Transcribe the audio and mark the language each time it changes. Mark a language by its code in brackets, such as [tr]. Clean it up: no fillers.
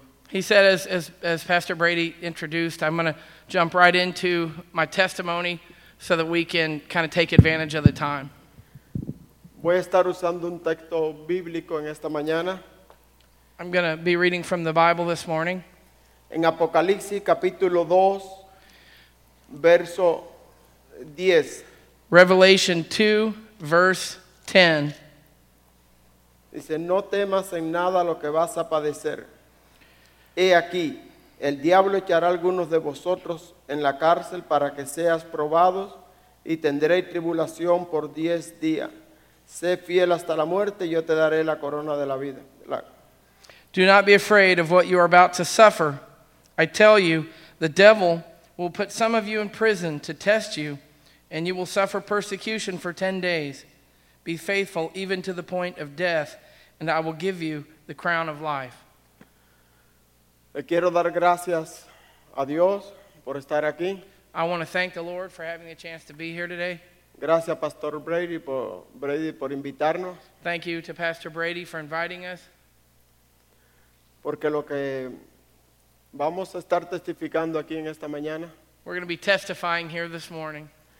[en] He said, as Pastor Brady introduced, I'm going to jump right into my testimony so that we can kind of take advantage of the time. [es] Voy a estar usando un texto bíblico en esta mañana. [en] I'm going to be reading from the Bible this morning. [es] En Apocalipsis capítulo 2, verso 10. [en] Revelation 2, verse 10. [es] Dice, no temas en nada lo que vas a padecer. He aquí, el diablo echará algunos de vosotros en la cárcel para que seas probados y tendréis tribulación por 10 días. Sé fiel hasta la muerte, yo te daré la corona de la vida. [en] Do not be afraid of what you are about to suffer. I tell you, the devil will put some of you in prison to test you, and you will suffer persecution for 10 days. Be faithful even to the point of death, and I will give you the crown of life. [es] Le quiero dar gracias a Dios por estar aquí. [en] I want to thank the Lord for having a chance to be here today. [es] Gracias, Pastor Brady por invitarnos. [en] Thank you to Pastor Brady for inviting us. [es] Porque lo que vamos a estar testificando aquí en esta mañana. [en] We're going to be testifying here this morning.